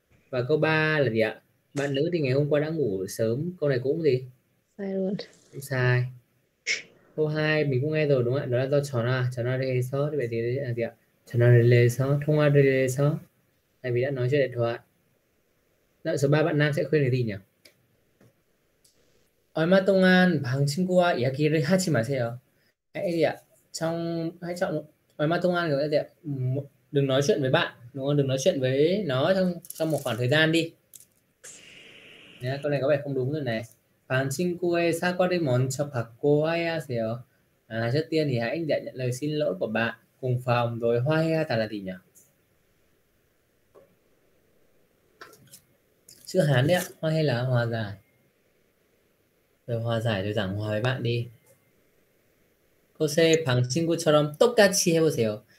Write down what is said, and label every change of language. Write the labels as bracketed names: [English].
[Vietnamese] Và câu 3 là gì ạ? Bạn nữ thì ngày hôm qua đã ngủ sớm. Câu này cũng gì? Sai luôn. Sai. Câu 2 mình cũng nghe rồi đúng không ạ? Đó là do chó nào đi xó. Vậy thì là gì ạ? Chó nào đi xó, thông qua đi xó. Tại vì đã nói chuyện điện thoại. Đó, số 3 bạn nam sẽ khuyên cái gì nhỉ? [Korean] 얼마 동안 방 친구와 이야기를 하지 마세요. [Vietnamese] Hãy gì ạ? Trong, hãy chọn [Korean] 얼마 동안 [Vietnamese] gọi là gì ạ? Đừng nói chuyện với bạn, đúng không? Đừng nói chuyện với nó trong một khoảng thời gian đi. Nè, câu này có vẻ không đúng rồi này. [Korean] 방 친구의 사과를 먼저 받고 화해하세요. [Vietnamese] Trước tiên thì hãy nhận lời xin lỗi của bạn cùng phòng rồi 화해하다 là gì nhỉ? Chữ Hán đấy ạ, 화해 là hòa giải. Rồi hòa giải rồi giảng hòa với bạn đi. Câu C, [Korean] 방 친구처럼 똑같이 해보세요.